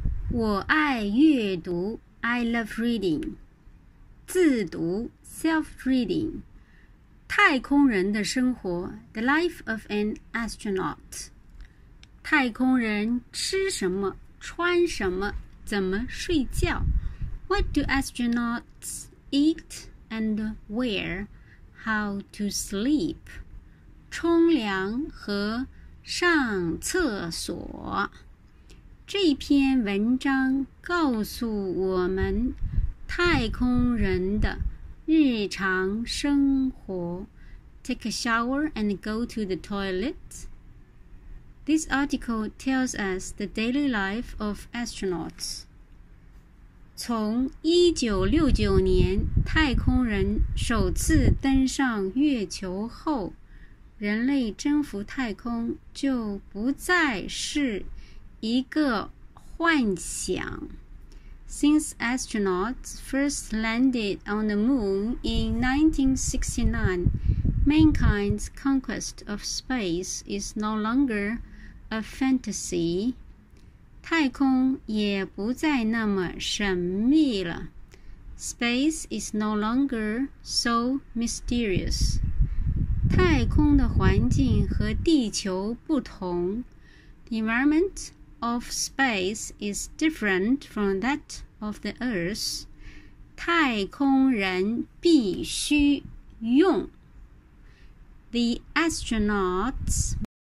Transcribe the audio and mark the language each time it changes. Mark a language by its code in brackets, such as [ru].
[zh] 我爱阅读 [en] I love reading. [zh] 自读 [en] self-reading. [zh] 太空人的生活 [en] The life of an astronaut. [zh] 太空人吃什么穿什么怎么睡觉 [en] What do astronauts eat and where? How to sleep? [zh] 冲凉和上厕所。这篇文章告诉我们太空人的日常生活。 [en] Take a shower and go to the toilet. This article tells us the daily life of astronauts. [zh] 从1969年太空人首次登上月球后，人类征服太空就不再是一个幻想。 [en] Since astronauts first landed on the moon in 1969, mankind's conquest of space is no longer a fantasy. [zh] 太空也不再那么神秘了。 [en] Space is no longer so mysterious. [zh] 太空的环境和地球不同。 [en] The environment of space is different from that of the Earth. [zh] 太空人必须用。 [en] The astronauts